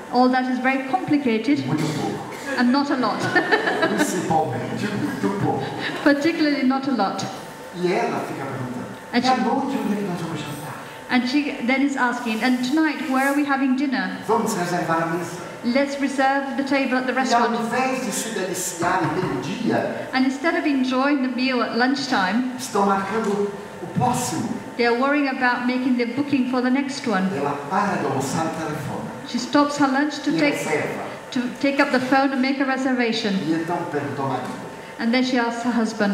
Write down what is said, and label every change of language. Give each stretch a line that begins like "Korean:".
English: All that is very complicated.
Portuguese: Muito pouco.
English: And not a lot.
Portuguese: Principalmente muito pouco.
English: Particularly not a lot.
Portuguese: E ela fica perguntando. E a noite onde nós vamos jantar?
English: And she then is asking, and tonight where are we having dinner?
Portuguese: Vamos reservar a mesa.
English: Let's reserve the table at the restaurant.
Portuguese: E ao invés de se deliciar em meio-dia,
English: and instead of enjoying the meal at lunchtime,
Portuguese: estão marcando o próximo.
English: They're worrying about making the booking for the next one.
Portuguese: Ela para de almoçar o telefone.
English: She stops her lunch to take up the phone and make a reservation.
Portuguese: E então pergunta ao marido.
English: And then she asks her husband,